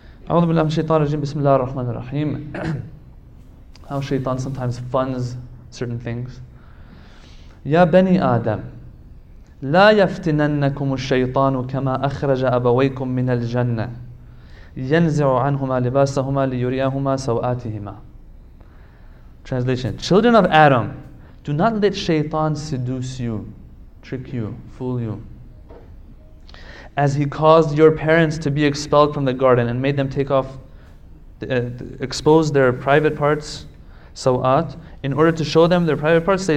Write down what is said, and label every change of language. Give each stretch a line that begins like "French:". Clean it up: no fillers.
Arabic: أعوذ بالله من الشيطان الرجيم بسم الله الرحمن الرحيم.
English: How shaitan sometimes funds certain things.
Arabic: يا بني آدم لا يفتننكم الشيطان كما أخرج أبويكم من الجنة ينزع عنهما لباسهما ليريهما سوآتهما.
English: Translation: Children of Adam, do not let Shaytan seduce you, trick you, fool you, as he caused your parents to be expelled from the garden and made them take off, expose their private parts, sawat, in order to show them their private parts.